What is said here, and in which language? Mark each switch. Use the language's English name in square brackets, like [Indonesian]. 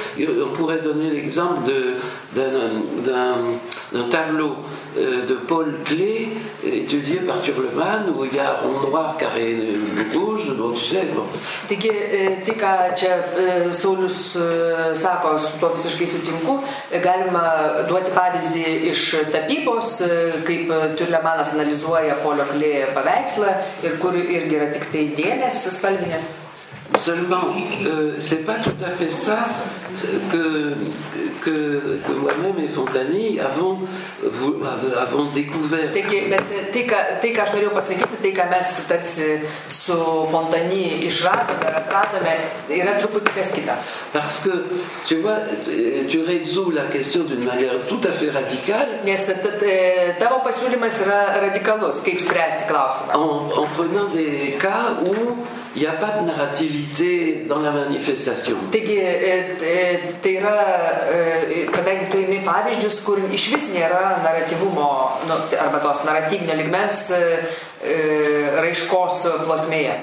[French] On pourrait donner l'exemple d'un tableau de Paul Klee, étudié par Turleman, où il y a rond noir, carré rouge, bon, tu sais. Bon. [Lithuanian] Taigi, tai, ką čia Saulius sako, su tuo visiškai sutinku, galima duoti pavyzdį iš tapybos, kaip Turlemanas analizuoja Paulio Klee paveikslą, ir kur irgi yra tik tai dėlės spalvinės. [French] Seulement, c'est pas tout à fait ça que moi-même et Fontani avons découvert. [Lithuanian] Tai, ką aš norėjau pasakyti, tai, ką mes tarsi su Fontani išradome, yra truputį kas kita. [French] Parce que, tu vois, tu résous la question d'une manière tout à fait radicale. [Lithuanian] Nes tavo pasiūlymas yra radikalus, kaip spręsti klausimą. [French] En prenant des cas où il n'y a pas de narrativité dans la manifestation. [Lithuanian] Taigi, tai yra, kadangi tu ėmi pavyzdžius, kur iš vis nėra naratyvumo, nu, arba tos naratyvinio lygmens raiškos plotmėje.